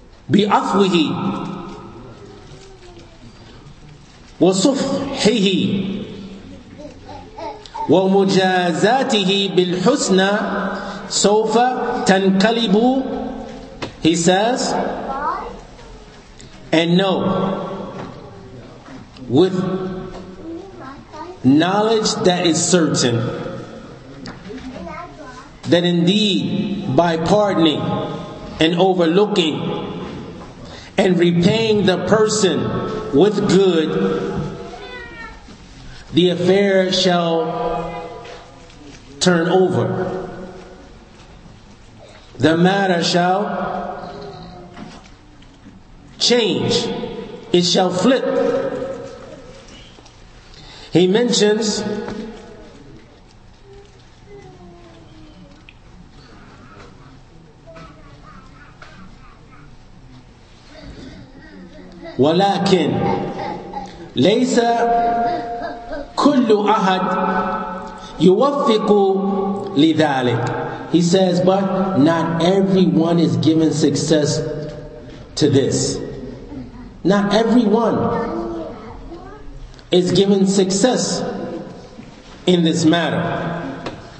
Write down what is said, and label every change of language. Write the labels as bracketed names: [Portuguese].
[Arabic] بأخوه وصفحه ومجازاته بالحسنى سوف تنقلب. [English] He says, and know with knowledge that is certain that indeed by pardoning and overlooking and repaying the person with good, the affair shall turn over. The matter shall change. It shall flip. He mentions [Arabic] ولكن ليس كل أحد يوفق لذلك. [English] He says, but not everyone is given success to this. Not everyone is given success in this matter.